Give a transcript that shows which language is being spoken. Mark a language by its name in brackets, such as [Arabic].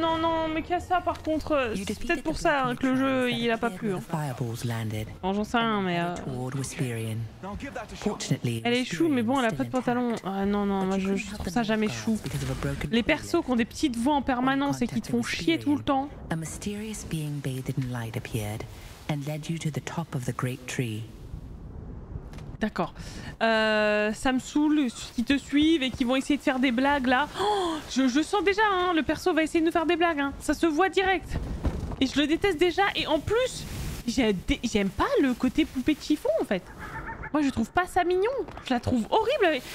[French] Non, non, mais qu'est-ce ça par contre? C'est peut-être pour ça hein, que le jeu, il a pas plu. Hein. Bon, j'en sais rien, mais... Elle est chou, mais bon, elle a pas de pantalon. Ah non, non, moi je trouve ça jamais chou. Les persos qui ont des petites voix en permanence et qui te font chier tout le temps. [English] Un mystérieux being bathed in light appeared and led you to the top of the great tree. [French] D'accord. Ça me saoule qui te suivent et qui vont essayer de faire des blagues là. Oh, je sens déjà, hein, le perso va essayer de nous faire des blagues. Hein. Ça se voit direct. Et je le déteste déjà. Et en plus, j'aime pas le côté poupée de chiffon en fait. Moi je trouve pas ça mignon. Je la trouve horrible.